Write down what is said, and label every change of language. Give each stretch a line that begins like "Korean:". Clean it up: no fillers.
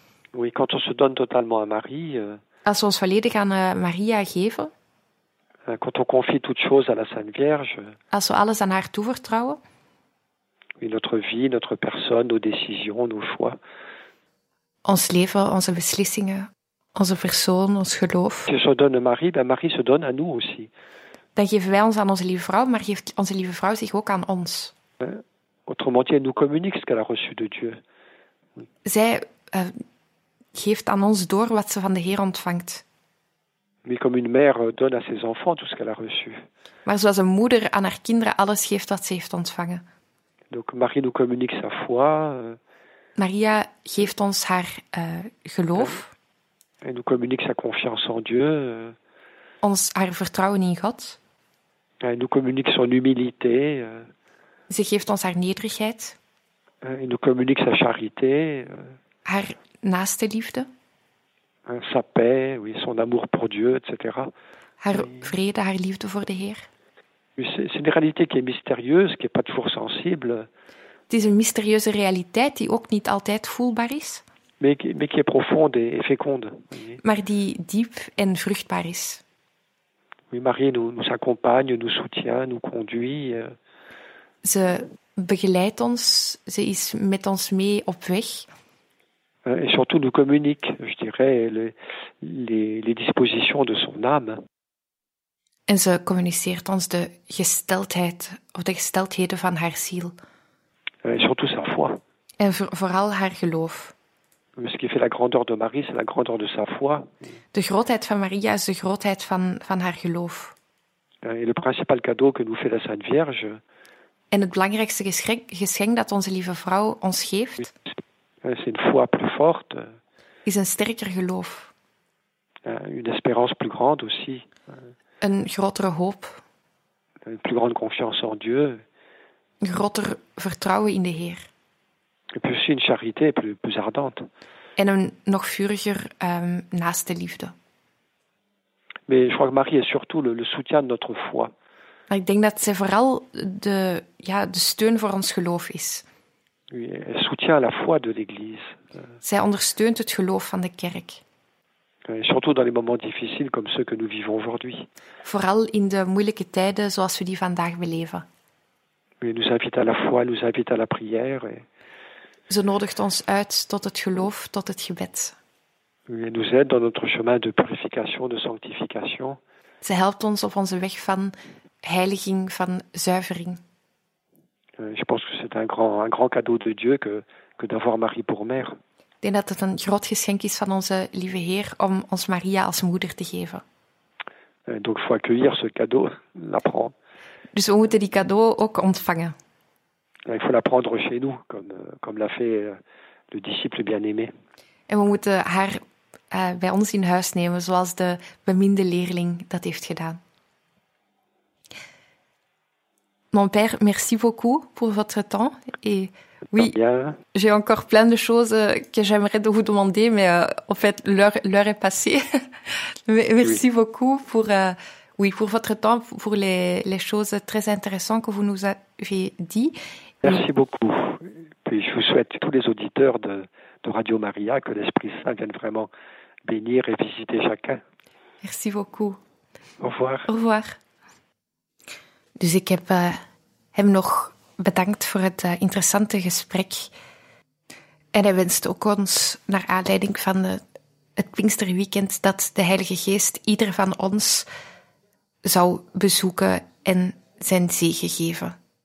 French: Oui, quand on se donne totalement à Marie.
Dutch: Als we ons volledig aan Maria geven.
French: Quand on confie toutes choses à la Sainte Vierge.
Dutch: Als we alles aan haar toevertrouwen.
French: Oui, notre vie, notre personne, nos décisions, nos choix.
Dutch: Ons leven, onze beslissingen, onze persoon, ons geloof.
French: Je se donne Marie, ben Marie se donne à nous aussi.
Dutch: Dan geven wij ons aan onze lieve vrouw, maar geeft onze lieve vrouw zich ook aan ons.
French: Autrement dit, elle nous communique ce qu'elle a reçu de Dieu.
Dutch: Zij geeft aan ons door wat ze van de Heer ontvangt.
French: Mais comme une mère donne à ses enfants tout ce qu'elle a reçu.
Dutch: Maar zoals een moeder aan haar kinderen alles geeft wat ze heeft ontvangen.
French: Donc Marie nous communique sa foi.
Dutch: Maria geeft ons haar geloof.
French: Et nous communique sa confiance en Dieu.
Dutch: Ons haar vertrouwen in God.
French: Et nous communique son humilité.
Dutch: Ze geeft ons haar nederigheid.
French: Et nous communique sa charité.
Dutch: Haar naaste liefde.
French: Sa paix, oui, son amour pour Dieu, etc.
Dutch: Haar vrede, haar liefde voor de Heer.
French: C'est une réalité qui est mystérieuse, qui n'est pas toujours sensible.
Dutch: Het is een
French: mystérieuse réalité
Dutch: die ook niet altijd voelbaar is.
French: Mais qui est profonde et féconde.
Dutch: Maar die diep en vruchtbaar is.
French: Oui, Marie nous accompagne, nous soutient, nous conduit.
Dutch: Ze begeleidt ons, ze is met ons mee op weg.
French: Et surtout nous communique, je dirais, les dispositions de son âme.
Dutch: En ze communiceert ons de gesteldheid of de gesteldheden van haar ziel.
French: Et surtout sa foi.
Dutch: En vooral haar geloof.
French: Ce qui fait la grandeur de Marie, c'est la grandeur de sa foi.
Dutch: De grootheid van Maria is de grootheid van haar geloof.
French: Et le principal cadeau que nous fait la Sainte Vierge.
Dutch: En het belangrijkste geschenk dat onze lieve vrouw ons geeft.
French: C'est une foi plus forte.
Dutch: Is een sterker geloof.
French: Une espérance plus grande aussi.
Dutch: Een grotere hoop.
French: Une plus grande confiance en Dieu.
Dutch: Een groter vertrouwen in de Heer.
French: Et puis aussi une charité plus ardente.
Dutch: En een nog vuriger naaste liefde.
French: Mais je crois que Marie est surtout le soutien de notre foi.
Dutch: Maar ik denk dat zij vooral de steun voor ons geloof is.
French: Oui, elle soutient la foi de l'Église.
Dutch: Zij ondersteunt het geloof van de kerk.
French: Et surtout dans les moments difficiles comme ceux que nous vivons aujourd'hui.
Dutch: Vooral in de moeilijke tijden zoals we die vandaag beleven.
French: Il nous invite à la foi, nous invite à la prière.
Dutch: Ze nodigt ons uit tot het geloof, tot het gebed.
French: Il nous aide dans notre chemin de purification, de sanctification.
Dutch: Ze helpt ons op onze weg van heiliging, van zuivering.
French: Je pense que c'est un grand cadeau de Dieu que d'avoir Marie pour mère.
Dutch: Ik denk dat het een groot geschenk is van onze lieve Heer om ons Maria als moeder te geven.
French: Donc faut accueillir ce cadeau, l'apprendre.
Dutch: Dus we moeten die cadeau ook ontvangen.
French: Il faut la prendre chez nous, comme l'a fait le disciple bien-aimé.
Dutch: En we moeten haar bij ons in huis nemen, zoals de beminde leerling dat heeft gedaan.
French: Mon père, merci beaucoup pour votre temps. Et oui, j'ai encore plein de choses que j'aimerais vous demander, mais en fait, l'heure est passée. Merci beaucoup pour... Oui, pour votre temps, pour les choses très intéressantes que vous nous avez dit. Merci beaucoup. Puis je vous souhaite tous les auditeurs de Radio Maria que l'Esprit Saint vienne vraiment bénir et visiter chacun. Merci beaucoup. Au revoir. Au revoir.
Dutch: Dus ik heb hem nog bedankt voor het interessante gesprek. En hij wenst ook ons, naar aanleiding van het Pinksterweekend, dat de Heilige Geest ieder van ons zou bezoeken en zijn zegen geven.